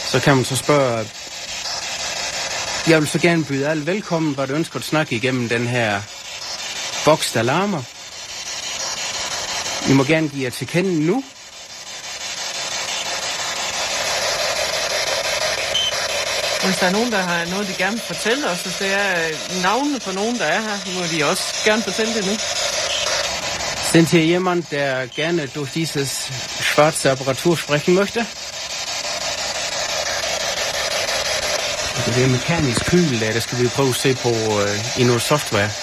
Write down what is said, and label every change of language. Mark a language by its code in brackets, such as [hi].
[da] Så kan man så spørge, jeg vil så gerne byde alle velkommen, hvor du ønsker at snakke igennem den her boks, der larmer. I må gerne give jer til kende nu. Hvis der er nogen, der har noget, de gerne fortæller os, så det er navnene på nogen, der er her, må de også gerne fortælle det nu. [de] Sind hier jemand, der gerne durch dieses schwarze Apparatur sprechen möchte? [da] Det er mekanisk køl, der skal vi prøve at se på i noget software.